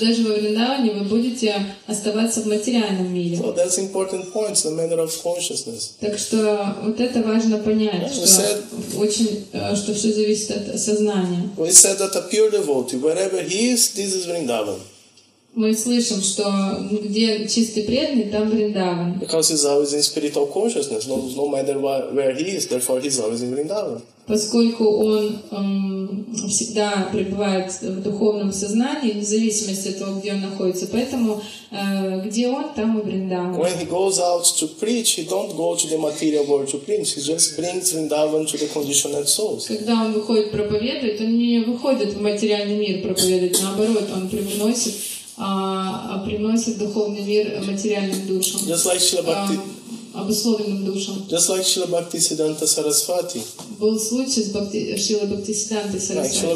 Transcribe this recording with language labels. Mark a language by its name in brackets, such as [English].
[Russian] то даже во Вриндаване вы будете оставаться в материальном мире. [English] So that's important point, the matter of consciousness. [Russian] Так что вот это важно понять, yeah, что, [English] said, [Russian] очень, что все зависит от сознания. [English] We said that a pure devotee, wherever he is, this is Vrindavan. [Russian] Мы слышим, что где чистый преданный, там Вриндаван. [English] Because he's always in spiritual consciousness, no matter where he is, therefore he's always in Vrindavan. [Russian] Поскольку он всегда пребывает в духовном сознании, в зависимости от того, где он находится, поэтому где он, там и Вриндаван. [English] When he goes out to preach, he don't go to the material world to preach. He just brings Vrindavan to the conditioned souls. [Russian] Когда он выходит проповедовать, он не выходит в материальный мир проповедовать, наоборот, он приносит духовный мир материальным душам. [English] Just like Shri Bhakti. [Russian] Обусловленным душам. [English] Just like Shri Bhakti Siddhanta Sarasvati. [Russian] Был случай с Шрилой Бхактисиддханта Сарасвати.